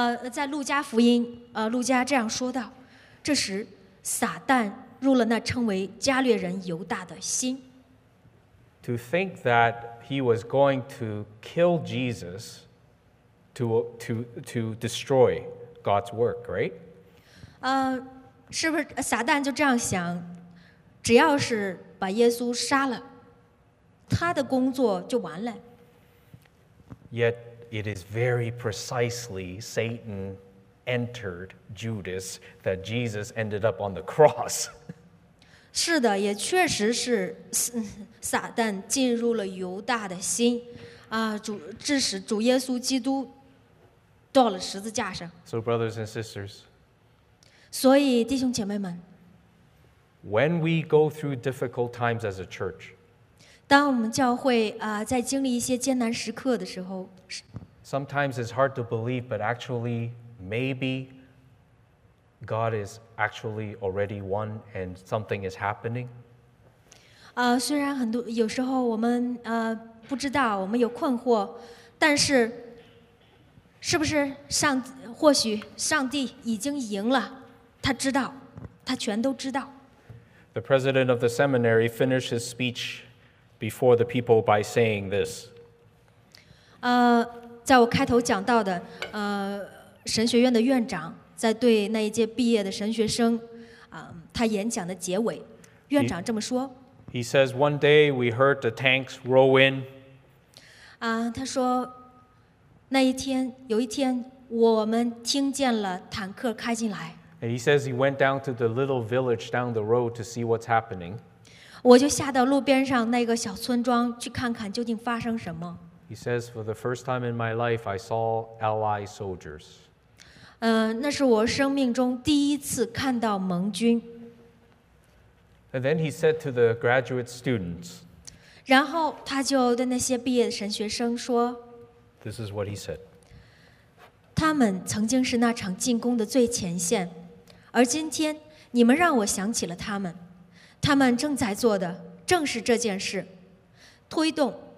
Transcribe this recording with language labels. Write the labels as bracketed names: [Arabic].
[Chinese] 在路加福音，路加这样说道：这时，撒旦入了那称为加略人犹大的心。 [English] To think that he was going to kill Jesus to destroy God's work, right? [Chinese] 是不是撒旦就这样想？只要是把耶稣杀了，他的工作就完了。 [English] Yet it is very precisely Satan entered Judas that Jesus ended up on the cross. [Chinese] 是的，也确实是撒旦进入了犹大的心，致使主耶稣基督到了十字架上。 [English] So brothers and sisters. [Chinese] 所以弟兄姐妹们 [English] When we go through difficult times as a church, [Chinese] 当我们教会在经历一些艰难时刻的时候 [English] Sometimes it's hard to believe, but actually, maybe God is actually already won and something is happening. [Chinese] 虽然很多有时候我们不知道，我们有困惑，但是是不是或许上帝已经赢了？他知道，他全都知道。 [English] The president of the seminary finished his speech before the people by saying this. [Chinese] 在我开头讲到的，神学院的院长在对那一届毕业的神学生，他演讲的结尾，院长这么说。 [English] He says, "One day we heard the tanks roll in." [Chinese] 他说，那一天，有一天，我们听见了坦克开进来。 [English] And he says he went down to the little village down the road to see what's happening. [Chinese] 我就下到路边上那个小村庄去看看究竟发生什么。 [English] He says, for the first time in my life, I saw Allied soldiers. [Chinese] 那是我生命中第一次看到盟军。 [English] And then he said to the graduate students. [Chinese] 然后他就对那些毕业的神学生说。 [English] This is what he said. [Chinese] 他们曾经是那场进攻的最前线，而今天你们让我想起了他们。他们正在做的正是这件事，推动。